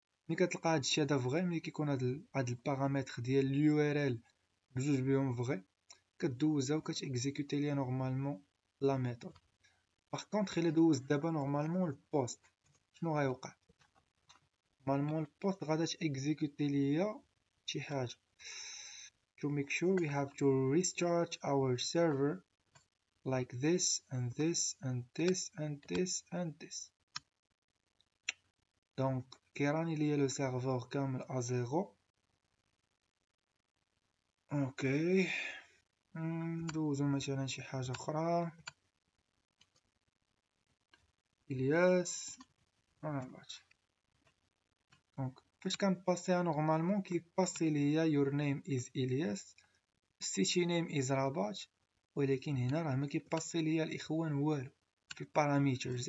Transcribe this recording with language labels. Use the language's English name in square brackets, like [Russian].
[Arabic] ملي كتلقى هادشي هذا فغي، ملي كيكون هاد البارامتر ديال اليو ار ال بجوج بيهم فغي، كدوزها و كتيكزيكوتي ليها نورمالمون لا ميثود. باغ كونطخ الا دوز دابا نورمالمون البوست شنو غيوقع؟ نورمالمون البوست غادا تيكزيكوتي ليا شي حاجة. [English] To make sure we have to restart our server like this and this and this and this and this. [Arabic] دونك كي راني ليا لو سيرفور كامل ا زيرو. اوكي ندوزو مثلا شي حاجة أخرى. الياس مرحبا. دونك فاش كان باسي نورمالمون كي باسي ليا يور نيم از الياس، سيتي نيم از رباط، ولكن هنا راه ما كيباسي ليا الاخوان والو في البارامترز.